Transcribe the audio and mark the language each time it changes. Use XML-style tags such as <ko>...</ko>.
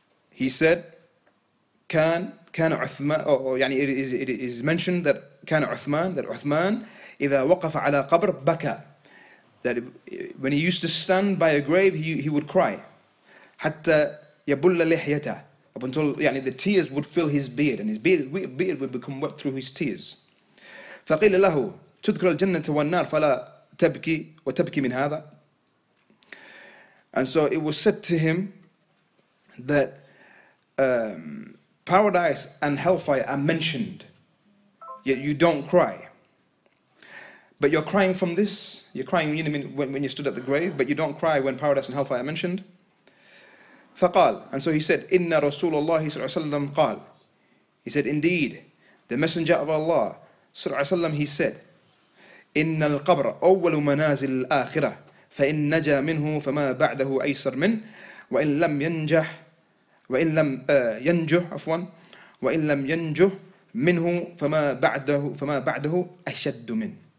<en>He said,</en> <ar>كان عثمان,</ar> <en>يعني it is mentioned that كان عثمان, that Uthman,</en> <ar>إذا وقف على قبر بكى,</ar> <en>that when he used to stand by a grave, he would cry,</en> <ar>حتى يبل لحيته,</ar> <en>up until, يعني, the tears would fill his beard, and his beard would become wet through his tears.</en> <ar>فقيل له تذكر الجنة والنار فلا تبكي وتبكي من هذا.</ar> <en>And so it was said to him that paradise and hellfire are mentioned, yet you don't cry. But you're crying from this. You're crying, you know, when you stood at the grave, but you don't cry when paradise and hellfire are mentioned.</en> <ar>فقال,</ar> <en>and so he said,</en> <ar>إن رسول الله صلى الله عليه وسلم قال.</ar> <en>He said, indeed, the Messenger of Allah صلى الله عليه وسلم, he said,</en> <ar>إن القبر أول منازل الآخرة فإن نجا منه فما بعده أيسر من وإن لم ينجح وإن لم ينجح عفوا وإن لم ينجح منه فما بعده أشد من.</ar>